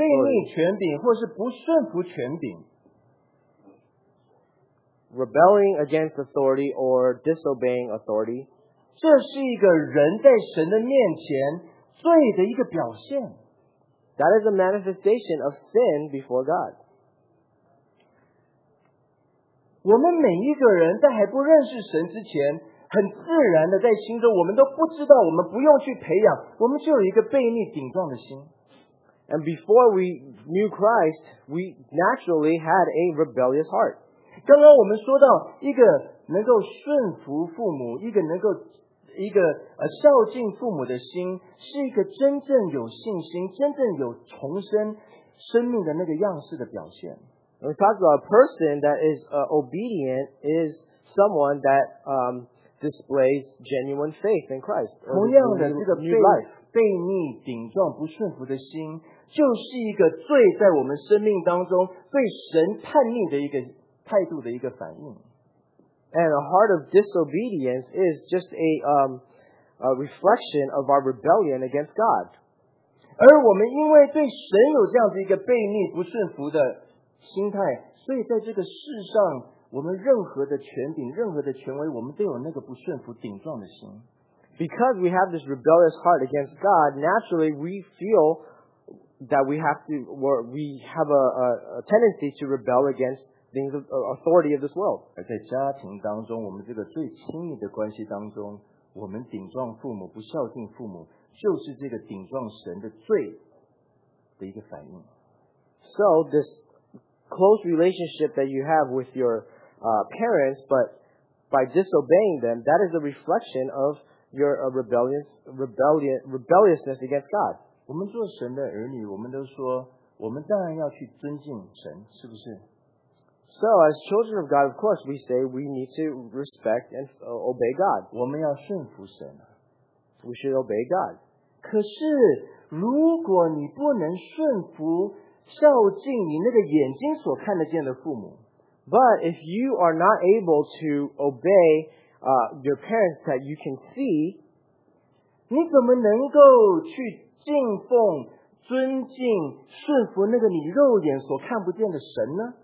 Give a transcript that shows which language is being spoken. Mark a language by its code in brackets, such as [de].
[zh] 悖逆权柄或是不顺服权柄。 [en] Rebelling against authority or disobeying authority. [zh] 这是一个人在神的面前罪的一个表现。 [en] That is a manifestation of sin before God. [zh] 我们每一个人在还不认识神之前，很自然的在心中，我们都不知道，我们不用去培养，我们就有一个悖逆顶撞的心。 [en] And before we knew Christ, we naturally had a rebellious heart. [zh] 刚刚我们说到一个能够顺服父母，一个能够孝敬父母的心，是一个真正有信心、真正有重生生命的那个样式的表现。 [en] We talk about a person that is obedient is someone that displays genuine faith in Christ. [zh] 同样的，这个悖逆、顶撞、不顺服的心，就是一个罪在我们生命当中对神叛逆的一个态度的一个反应。 [en] And a heart of disobedience is just a reflection of our rebellion against God. [zh] 而我们因为对神有这样子一个悖逆、不顺服的心态，所以在这个世上，我们任何的权柄、任何的权威，我们都有那个不顺服、顶撞的心。 [en] Because we have this rebellious heart against God, naturally we feel that we have a tendency to rebel against the authority of this world. [zh] 而在家庭当中，我们这个最亲密的关系当中，我们顶撞父母、不孝敬父母，就是这个顶撞神的罪的一个反应。 [en] So this close relationship that you have with your parents, but by disobeying them, that is a reflection of your rebelliousness against God. [zh] 我们做神的儿女，我们都说，我们当然要去尊敬神，是不是？ [en] So as children of God, of course, we say we need to respect and obey God. [zh] 我们要顺服神。 [en] We should obey God. [zh] 可是如果你不能顺服孝敬你那个眼睛所看得见的父母， [en] But if you are not able to obey your parents that you can see, [zh] 你怎么能够去敬奉尊敬顺服那个你肉眼所看不见的神呢？